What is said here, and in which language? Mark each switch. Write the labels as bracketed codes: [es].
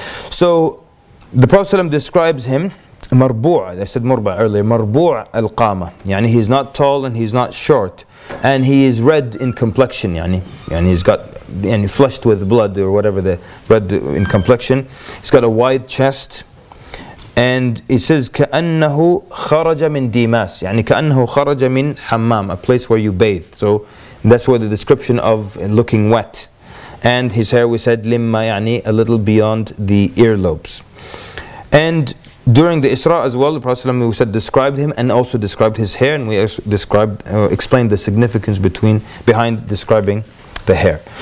[en] So the Prophet ﷺ describes him, marbu'a. I said marbu'a earlier, marbu'a al-qama. Yani he's not tall and he's not short. And he is red in complexion. Yani he's got, and flushed with blood or whatever, the red in complexion. He's got a wide chest. And he says, [ar] كَأَنَّهُ خَرَجَ مِنْ دِيمَاسِ يعني كَأَنَّهُ خَرَجَ مِنْ حَمَّامِ, [en] a place where you bathe. So that's where the description of looking wet. And his hair, we said, [ar] لِمَّا يعني [en] a little beyond the earlobes. And during the Isra as well, the Prophet ﷺ, we said, described him and also described his hair. And we described, explained the significance behind describing the hair.